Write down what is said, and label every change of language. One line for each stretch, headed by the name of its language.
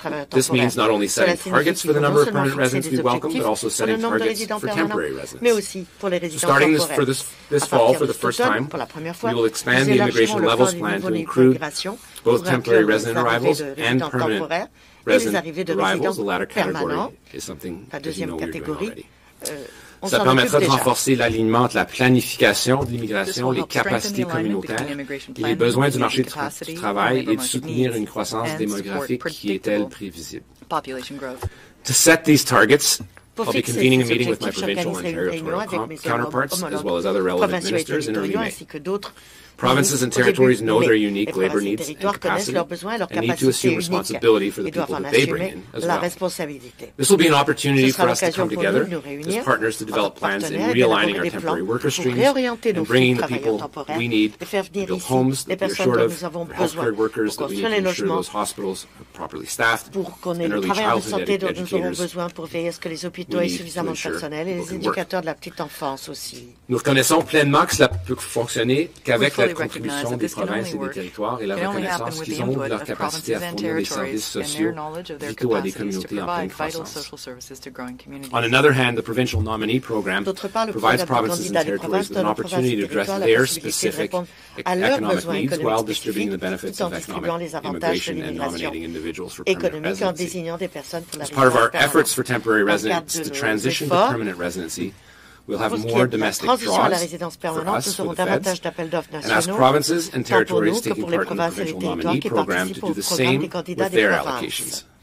English: This means not only setting targets for the number of permanent residents we welcome, but also setting targets for temporary residents. So starting this fall, for the first time, we will expand the immigration levels plan to include both temporary resident arrivals and permanent resident arrivals. The latter category is something that you know we're doing already.
French: Ça permettra de renforcer l'alignement entre la planification de l'immigration, les capacités communautaires et les besoins du marché du travail et de soutenir une croissance démographique qui est, elle, prévisible.
English: To set these targets, I'll be convening a meeting with my provincial Ontario counterparts, as well as other relevant ministers in early May. Provinces and territories know their unique labor needs and need to assume responsibility for the people that they bring in as well. This will be an opportunity for us to come together as partners to develop plans in realigning our temporary worker streams and bringing the people we need to build homes that we are short of, healthcare workers that we need to ensure those hospitals are properly staffed, and early childhood educators we need to ensure people can work.
French: Nous reconnaissons pleinement que cela peut fonctionner qu'avec la contribution des provinces et des territoires et la reconnaissance qu'ils ont de leur capacité à fournir des services sociaux vitaux à des communautés en pleine croissance.
English: On another hand, the provincial nominee program provides provinces and territories with an opportunity to address their specific economic needs while distributing the benefits of economic immigration and nominating individuals for permanent residency. As part of our efforts for temporary residents to transition to permanent residency, we'll have more domestic draws for us, for the feds, and ask provinces and territories taking part in the provincial nominee program to do the same with their allocations.